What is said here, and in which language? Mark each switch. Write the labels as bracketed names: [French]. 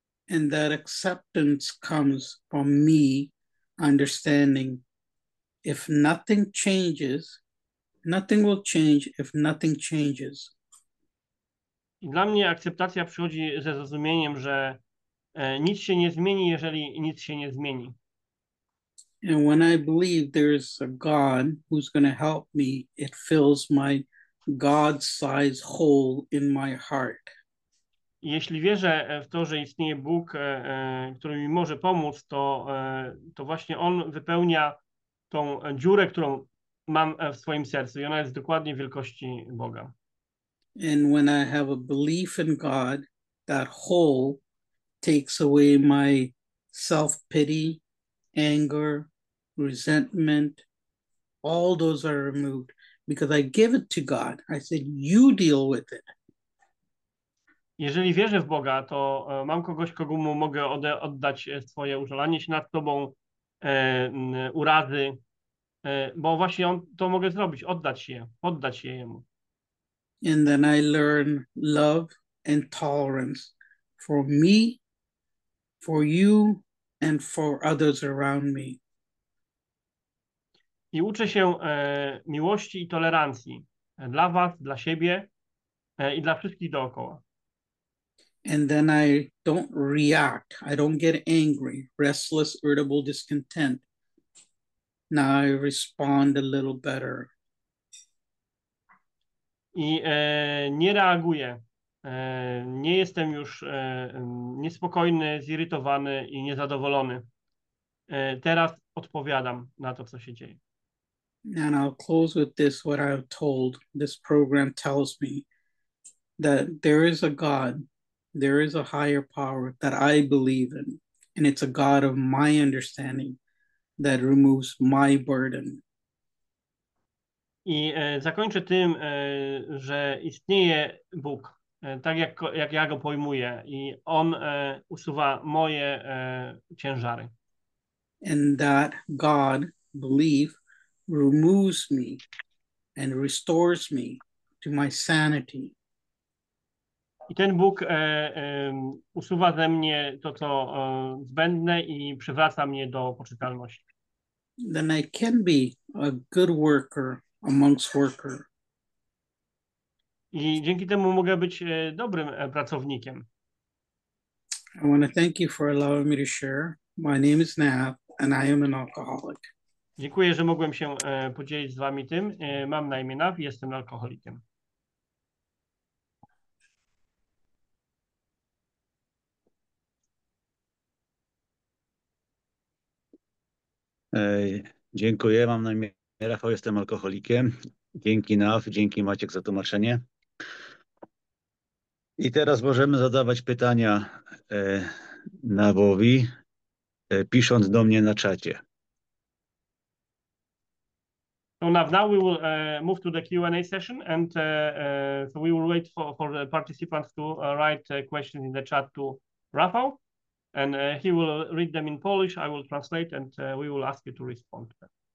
[English] And that acceptance comes from me understanding if nothing changes, nothing will change if nothing changes. [Polish] I dla mnie akceptacja przychodzi ze zrozumieniem, że nic się nie zmieni, jeżeli nic się nie zmieni. [English] And when I believe there is a God who's going to help me, it fills my God-sized hole in my heart. [Polish] Jeśli wierzę w to, że istnieje Bóg, który mi może pomóc, to właśnie On wypełnia tą dziurę, którą mam w swoim sercu. I ona jest dokładnie wielkości Boga. [English] And when I have a belief in God, that hole takes away my self-pity, anger, resentment. All those are removed because I give it to God. I said, you deal with it. [Polish] Jeżeli wierzę w Boga, to mam kogoś, kogo mu mogę oddać swoje użalanie się nad tobą, urazy, bo właśnie on to mogę zrobić, oddać je jemu. [English] And then I learn love and tolerance for me, for you, and for others around me. [Polish] I uczę się miłości i tolerancji dla was, dla siebie i dla wszystkich dookoła. [English] And then I don't react. I don't get angry, restless, irritable, discontent. Now I respond a little better. [Polish] I nie reaguję. Nie jestem już niespokojny, zirytowany i niezadowolony. Teraz odpowiadam na to, co się dzieje. [English] And I'll close with this, what I've told. This program tells me that there is a God, there is a higher power that I believe in. And it's a God of my understanding that removes my burden. [Polish] I zakończę tym, że istnieje Bóg, tak jak ja go pojmuję, i on usuwa moje ciężary. [English] And that God belief removes me and restores me to my sanity. [Polish] I ten Bóg usuwa ze mnie to, co zbędne, i przywraca mnie do poczytalności. [English] Then I can be a good worker amongst worker. [Polish] I dzięki temu mogę być dobrym pracownikiem. [English] I want to thank you for allowing me to share. My name is Nav and I am an alcoholic. [Polish] Dziękuję, że mogłem się podzielić z wami tym. Mam na imię Nav i jestem alkoholikiem. Dziękuję, mam na imię Rafał, jestem alkoholikiem. Dzięki Naw, dzięki Maciek za tłumaczenie. I teraz możemy zadawać pytania Nawowi, pisząc do mnie na czacie. [English] So now we will move to the Q&A session, and so we will wait for the participants to write questions in the chat to Rafał, and he will read them in Polish. I will translate, and we will ask you to respond to them.